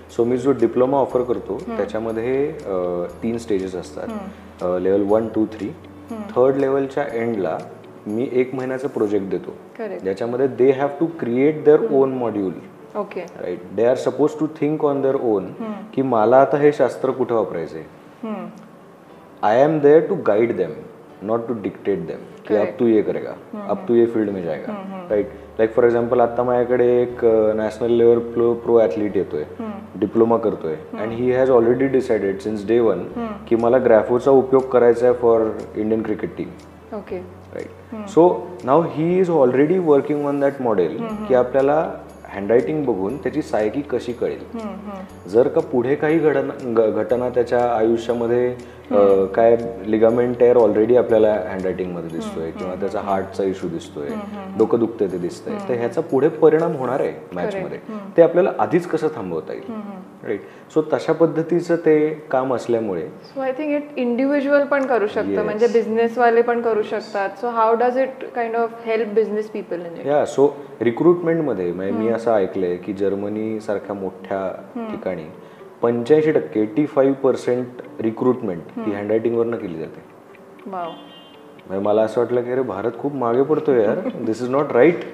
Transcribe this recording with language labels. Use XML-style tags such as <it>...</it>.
<mr>So मी जो diploma offer करतो त्याच्यामध्ये तीन स्टेजेस असतात. लेवल 1, 2, 3. थर्ड लेवलच्या एंडला मी एक महिन्याचा प्रोजेक्ट देतो ज्याच्यामध्ये</mr> <en>They have to create their own module. Okay right. They are supposed to think on their own</en> <mr>की मला आता हे शास्त्र कुठे वापरायचंय.</mr> <en>I am there to guide them not to dictate them</en> <hi>की अब तू ये करेगा अब तू ये फील्ड में जाएगा</hi> <en>Right. Like for example</en> <mr>आता माझ्याकडे एक</mr> <en>national level pro athlete</en> <mr>येतोय डिप्लोमा करतोय</mr> <en>and he has already decided since day one</en> <mr>की मला ग्राफोचा उपयोग करायचा आहे</mr> <en>For Indian cricket team. Okay right. So now he is already working on that model</en> <mr>की आपल्याला हँडरायटिंग बघून त्याची सायकी कशी कळेल. जर का पुढे काही घटना त्याच्या आयुष्यामध्ये काय लिगामेंट टेअर ऑलरेडी आपल्याला हँडरायटिंगमध्ये दिसतोय किंवा त्याचा हार्टचा इश्यू दिसतोय डोकं दुखतंय ते दिसतंय तर ह्याचा पुढे परिणाम होणार आहे मॅचमध्ये ते आपल्याला आधीच कसं थांबवता येईल राईट. सो तशा पद्धतीचं ते काम असल्यामुळे</mr> <en>so I think it</en> <mr>individual पण करू शकतं म्हणजे बिझनेसवाले पण करू शकतात.</mr> <en>So how does it kind of help business people.</en> <mr>या सो रिक्रुटमेंटमध्ये मी असं ऐकलंय की जर्मनी सारख्या मोठ्या ठिकाणी 85% 85% रिक्रुटमेंट ही हँडरायटिंग वरनं केली जाते. मला असं वाटलं की अरे भारत खूप मागे पडतोय यार</mr> <en>This is not right.</en>